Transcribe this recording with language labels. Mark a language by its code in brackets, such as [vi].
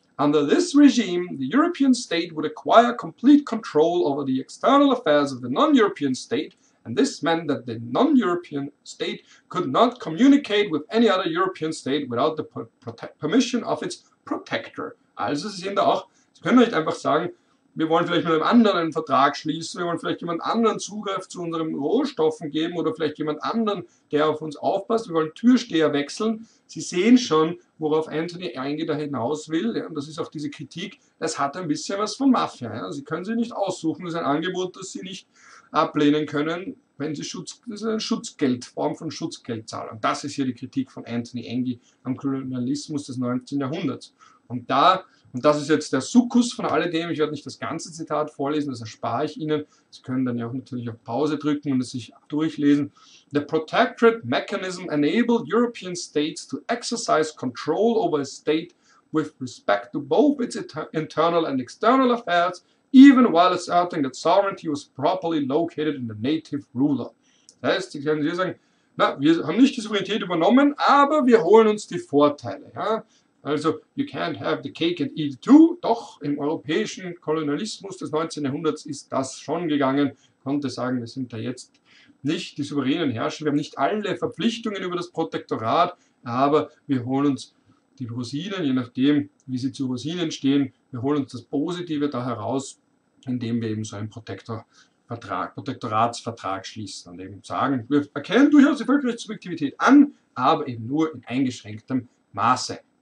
[en] Under this regime, the European state would acquire complete control over the external affairs of the non-European state, and this meant that the non-European state could not communicate with any other European state without the permission of its protector. [de] Also Sie sehen da auch, Sie können nicht einfach sagen, wir wollen vielleicht mit einem anderen einen Vertrag schließen, wir wollen vielleicht jemand anderen Zugriff zu unseren Rohstoffen geben oder vielleicht jemand anderen, der auf uns aufpasst, wir wollen Türsteher wechseln. Sie sehen schon, worauf Anthony Engie da hinaus will, ja, und das ist auch diese Kritik, das hat ein bisschen was von Mafia. Ja. Sie können sie nicht aussuchen, das ist ein Angebot, das Sie nicht ablehnen können, wenn sie Schutz, das ist eine Schutzgeld, Form von Schutzgeldzahlung. Das ist hier die Kritik von Anthony Engie am Kolonialismus des 19. Jahrhunderts. Und da, und das ist jetzt der Sukkus von alledem, ich werde nicht das ganze Zitat vorlesen, das erspare ich Ihnen. Sie können dann ja auch natürlich auf Pause drücken und es sich durchlesen. [en] The protectorate mechanism enabled European states to exercise control over a state with respect to both its internal and external affairs, even while asserting that sovereignty was properly located in the native ruler. [de] Das heißt, Sie können hier sagen, na, wir haben nicht die Souveränität übernommen, aber wir holen uns die Vorteile, ja. [en] Also, you can't have the cake and eat it too. [de] Doch, im europäischen Kolonialismus des 19. Jahrhunderts ist das schon gegangen. Ich konnte sagen, wir sind da jetzt nicht die souveränen Herrscher. Wir haben nicht alle Verpflichtungen über das Protektorat, aber wir holen uns die Rosinen, je nachdem, wie sie zu Rosinen stehen. Wir holen uns das Positive da heraus, indem wir eben so einen Protektoratsvertrag schließen und eben sagen, wir erkennen durchaus die Völkerrechtssubjektivität an, aber eben nur in eingeschränktem Maße.